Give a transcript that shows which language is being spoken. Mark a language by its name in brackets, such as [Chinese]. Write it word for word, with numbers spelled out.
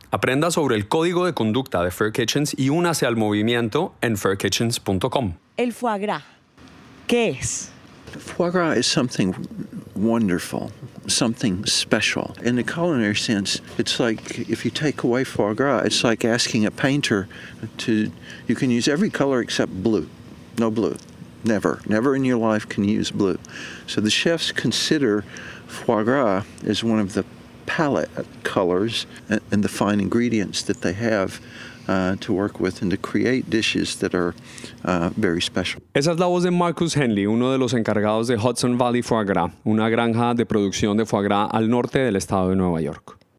[Spanish] Aprenda sobre el código de conducta de Fair Kitchens y únase al movimiento en fair kitchens dot com. El foie gras, ¿qué es? [English] Foie gras is something wonderful, something special. In the culinary sense, it's like if you take away foie gras, it's like asking a painter to, you can use every color except blue. No blue. Never. Never in your life can you use blue. So the chefs consider foie gras as one of the palette colors and the fine ingredients that they have uh, to work with and to create dishes that are uh, very special. [Spanish] Esa es la voz de Marcus Henley, uno de los encargados de Hudson Valley Foie Gras, una granja de producción de foie gras al norte del estado de Nueva York.